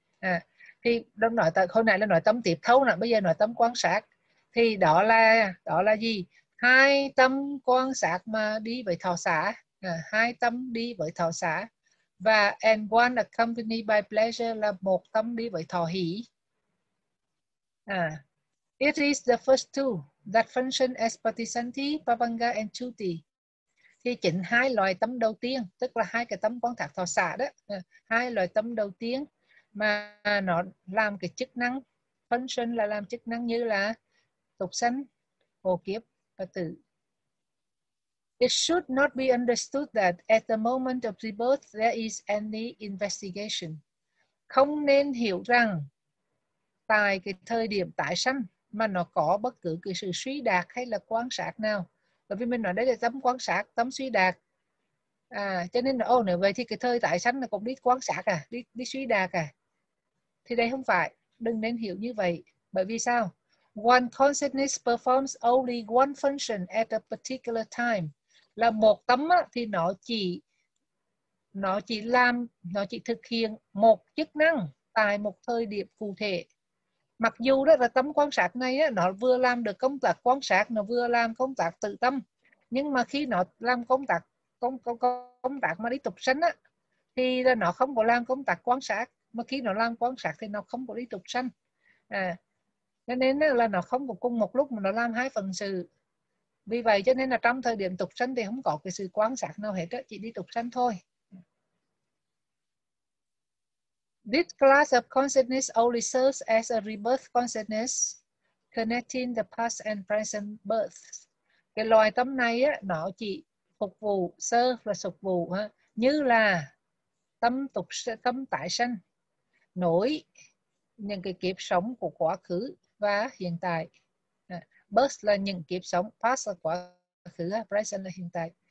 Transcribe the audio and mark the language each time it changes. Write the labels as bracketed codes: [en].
[vi] À, thì đang nói tới hồi nãy là nói tâm tiếp thâu nè, bây giờ nói tâm quan sát, thì đó là gì? Hai tâm quan sát mà đi với thọ xả, à, hai tâm đi với thọ xả, và [en] and one accompanied by pleasure [vi] là một tâm đi với thọ hỷ. [en] À, it is the first two that function as patisanti, pavanga and chuti. [vi] Thì chính hai loại tâm đầu tiên, tức là hai cái tâm quan sát thọ xả đó, à, hai loại tâm đầu tiên mà nó làm cái chức năng function, là làm chức năng như là tục sanh, hồ kiếp và tử. [en] It should not be understood that at the moment of rebirth there is any investigation. [vi] Không nên hiểu rằng tại cái thời điểm tái sanh mà nó có bất cứ cái sự suy đạt hay là quan sát nào. Bởi vì mình nói đây là tấm quan sát, tấm suy đạt. À, cho nên là ô nữa về thì cái thời tại sanh là cũng đi quan sát à, đi suy đạt à. Thì đây không phải, đừng nên hiểu như vậy. Bởi vì sao? [en] One consciousness performs only one function at a particular time. [vi] Là một tấm á, thì nó chỉ thực hiện một chức năng tại một thời điểm cụ thể. Mặc dù đó là tấm quan sát này á, nó vừa làm được công tác quan sát, nó vừa làm công tác tự tâm. Nhưng mà khi nó làm công tác mà đi tục sanh á, thì là nó không có làm công tác quan sát, mà khi nó làm quan sát thì nó không có đi tục sanh. À, nên là nó không có cùng một lúc mà nó làm hai phần sự. Vì vậy cho nên là trong thời điểm tục sanh thì không có cái sự quan sát nào hết đó, chỉ đi tục sanh thôi. [en] This class of consciousness only serves as a rebirth consciousness connecting the past and present births. [vi] Cái loài tâm này á, nó chỉ phục vụ, serve là phục vụ ha, như là tâm tục tâm tái sanh nối những cái kiếp sống của quá khứ và hiện tại. Birth là những kiếp sống, past là quá khứ, present là hiện tại.